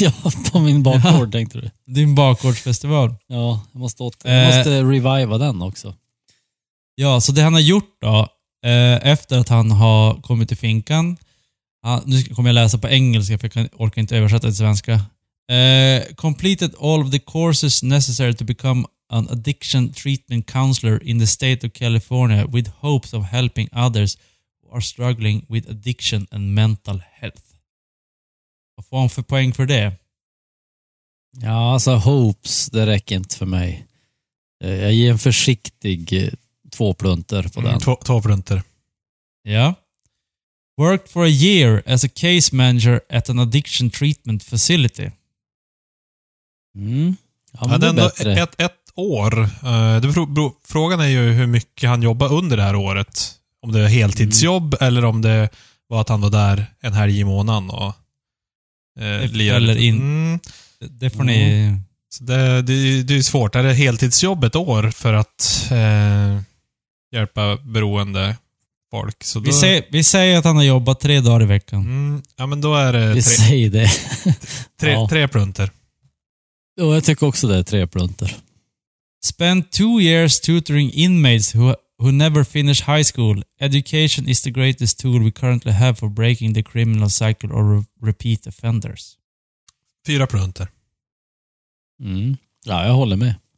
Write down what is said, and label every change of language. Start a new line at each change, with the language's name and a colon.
Swedish: Ja, på min bakgård, tänkte du. Din bakgårdsfestival. Ja, jag måste reviva den också. Ja, så det han har gjort då, efter att han har kommit till finkan. Nu kommer jag läsa på engelska för jag orkar inte översätta till svenska.
English: Completed all of the courses necessary to become an addiction treatment counselor in the state of California with hopes of helping others who are struggling with addiction and mental health.
Swedish: Vad får han för poäng för det? Ja, alltså hopes, det räcker inte för mig. Jag ger en försiktig 2 plunter på den. 2 plunter.
English: Ja. Worked for a year as a case manager at an addiction treatment facility. Mm.
Swedish: Ja, men det är ändå ett år. Frågan är ju hur mycket han jobbar under det här året. Om det är heltidsjobb eller om det var att han var där en helg i månaden och eller in. Det får ni. Så det är svårt. Är det heltidsjobb ett år för att hjälpa beroende folk. Så då... vi säger att han har jobbat 3 dagar i veckan. Mm, ja, men då är det... Vi säger det. tre plunter. Ja, jag tycker också det är 3 plunter.
English: Spent 2 years tutoring inmates who never finish high school. Education is the greatest tool we currently have for breaking the criminal cycle or repeat offenders.
Swedish: 4 plunter. Mm. Ja, jag håller med.